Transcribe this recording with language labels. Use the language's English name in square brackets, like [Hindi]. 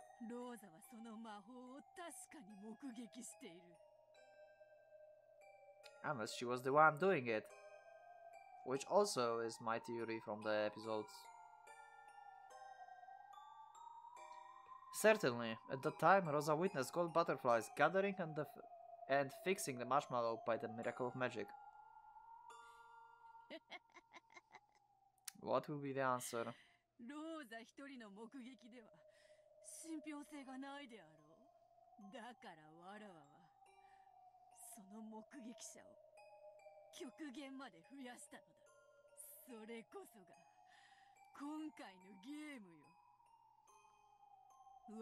[Japanese] ローザはその魔法を確かに目撃している。 [English] Unless she was the one doing it, which also is my theory from the episodes. Certainly, at that time, Rosa witnessed gold butterflies gathering and fixing the marshmallow by the miracle of magic. What will be the answer? [Japanese] ローザ一人の目撃では。信憑性がないであろう。だからわらわはその目撃者を極限まで増やしたのだ。それこそが今回のゲームよ。